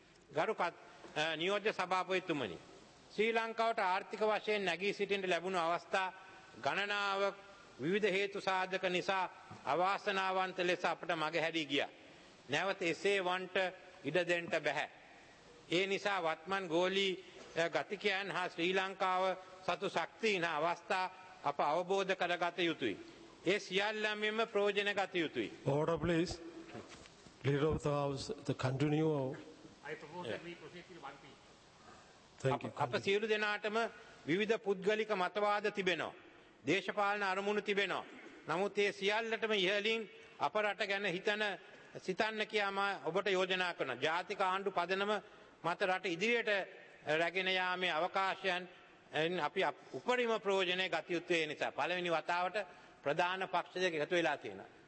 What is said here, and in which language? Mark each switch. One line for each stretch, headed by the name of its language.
Sinhala: ගරු නියෝජ්‍ය සභාපතිතුමනි, ශ්‍රී ලංකාවට ආර්ථික වශයෙන් නැගී සිටින්න ලැබුණු අවස්ථා ගණනාවක් විවිධ හේතු සාධක නිසා අවාසනාවන්ත ලෙස අපට මගහැරී ගියා. නැවත එසේ වන්ට ඉඩ දෙන්න බැහැ. ඒ නිසා වත්මන් ගෝලී ගතිකයන් හා ශ්‍රී ලංකාව සතු ශක්තිහීන අවස්ථා අප අවබෝධ කරගත යුතුයි. ඒ සියල්ලමින්ම ප්‍රයෝජන ගත යුතුයි.
English: Order please. Leader of the House, the continue. I propose that we proceed to 1P. Thank you.
Sinhala: අප සියලු දෙනාටම විවිධ පුද්ගලික මතවාද තිබෙනවා. දේශපාලන අරමුණු තිබෙනවා. නමුත් ඒ සියල්ලටම ඉහළින් අප රට ගැන සිතන්න කියා මා ඔබට යෝජනා කරන ජාතික ආණ්ඩු පදනම මත රට ඉදිරියට රැගෙන යාමේ අවකාශයන් අපි උපරිම ප්‍රයෝජනෙ ගත යුත්තේ නිසා පළවෙනි වතාවට ප්‍රධාන පක්ෂ දෙක එකතු වෙලා තියෙනවා.